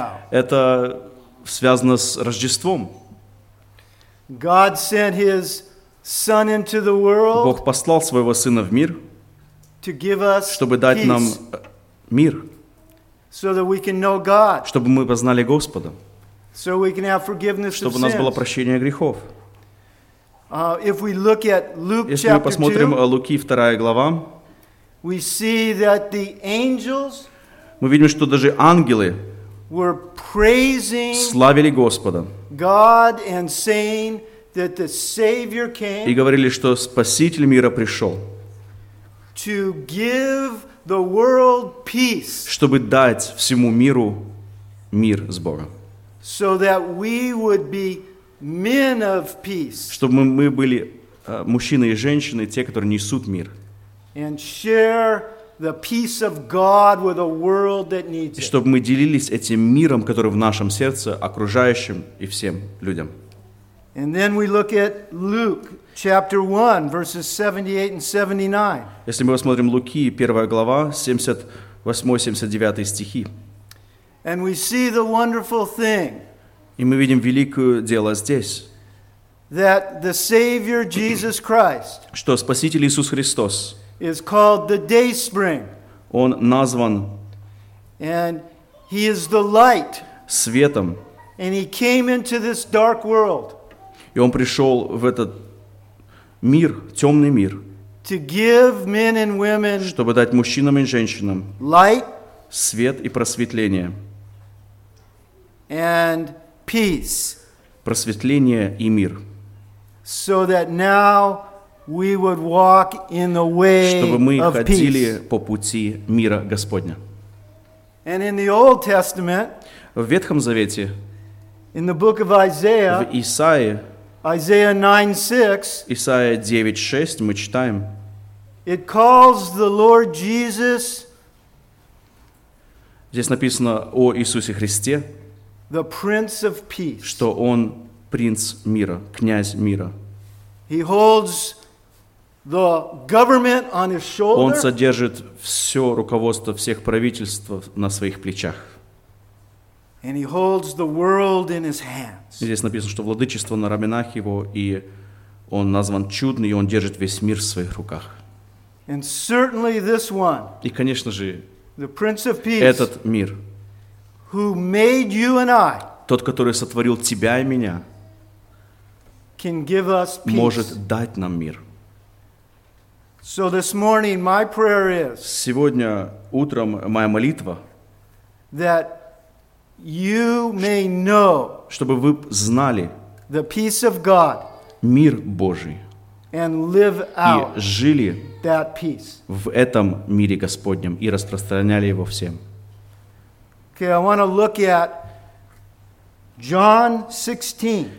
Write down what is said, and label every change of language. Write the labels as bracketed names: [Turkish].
[Russian] Это связано с Рождеством. [English] God sent His Son into the world. [Russian] Бог послал своего Сына в мир, [English] to give us [Russian] чтобы дать [English] peace, [Russian] нам мир, [English] so that we can know God, [Russian] чтобы мы познали Господа, [English] so we can have forgiveness [Russian] чтобы у нас было прощение грехов. [English] If we look at Luke, [Russian] если мы посмотрим о Луки 2 глава, [English] we see that the angels, [Russian] мы видим, что даже ангелы [English] were praising [Russian] славили Господа. [English] God and saying that the Savior came [Russian] и говорили, что Спаситель мира пришел, [English] to give the world peace, [Russian] чтобы дать всему миру мир с Богом, [English] so that we would be men of peace, [Russian] чтобы мы были мужчины и женщины, те, которые несут мир, [English] and share the peace of God with a world that needs it. [Russian] И чтобы мы делились этим миром, который в нашем сердце, окружающим и всем людям. [English] And then we look at Luke chapter 1, verses 78 and 79. [Russian] Если мы посмотрим Луки, 1 глава, 78-79 стихи. [English] And we see the wonderful thing. [Russian] И мы видим великое дело здесь. [English] That the Savior Jesus Christ. [Russian] Что Спаситель Иисус Христос. [English] Is called the Dayspring. [Russian] Он назван. [English] And he is the light. [Russian] Светом. [English] And he came into this dark world. [Russian] И он пришел в этот мир, темный мир. [English] To give men and women. [Russian] Чтобы дать мужчинам и женщинам. [English] Light. [Russian] Свет и просветление. [English] And peace. [Russian] Просветление и мир. [English] So that now. We would walk in the way of peace. [Russian] Чтобы мы ходили по пути мира Господня. [English] And in the Old Testament, [Russian] в Ветхом Завете, [English] in the book of Isaiah, [Russian] в Исаии, [English] Isaiah 9:6, [Russian] Исаия 9:6, мы читаем. [English] It calls the Lord Jesus. [Russian] Здесь написано о Иисусе Христе, [English] the Prince of Peace, [Russian] что он принц мира, князь мира. [English] He holds the government on his shoulder. [Russian] Он содержит все руководство всех правительств на своих плечах. [English] And he holds the world in his hands. [Russian] Здесь написано, что владычество на раменах его и Он назван чудный, и он держит весь мир в своих руках. [English] And certainly this one, [Russian] и, конечно же, [English] the Prince of Peace, [Russian] этот мир, [English] who made you and I, [Russian] тот, который сотворил тебя и меня, [English] can give us peace. [Russian] Может дать нам мир. [English] So this morning my prayer is, [Russian] сегодня утром моя молитва, [English] that you may know, [Russian] чтобы вы знали, [English] the peace of God, [Russian] мир Божий, [English] and live out, [Russian] и жили [English] that peace, [Russian] в этом мире Господнем и распространяли его всем. [English] Okay, I want to look at John 16.